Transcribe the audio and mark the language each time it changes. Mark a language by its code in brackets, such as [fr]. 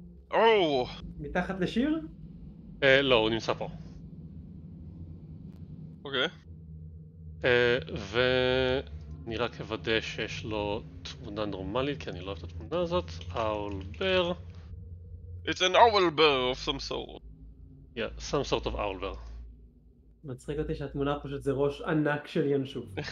[he] או. מתחת לשיר? לא, הוא נמצא פה. אוקיי. ו... אני רק אוודא שיש לו תמונה נורמלית, כי אני לא אוהב את התמונה הזאת. [en] Owl bear. It's an owl bear of some sort. Yeah, some sort of owl bear. [he] מצחיק אותי שהתמונה פשוט זה ראש ענק של ינשוף.